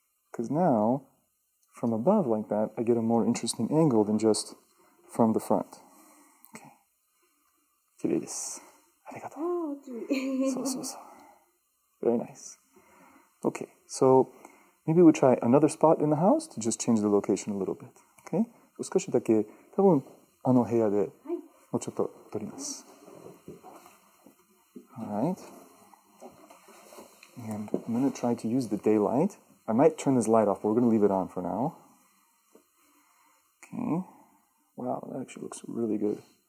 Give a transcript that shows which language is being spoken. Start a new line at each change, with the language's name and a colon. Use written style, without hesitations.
English: Because now, from above like that, I get a more interesting angle than just from the front. Okay.
Japanese: Kirei desu. Arigato.
English: So. Very nice. Okay, so maybe we'll try another spot in the house to just change the location a little bit. Okay?
Japanese: 少しだけ、多分あの部屋でもうちょっと撮ります。
English: Alright, and I'm going to try to use the daylight. I might turn this light off, but we're going to leave it on for now. Okay, wow, that actually looks really good.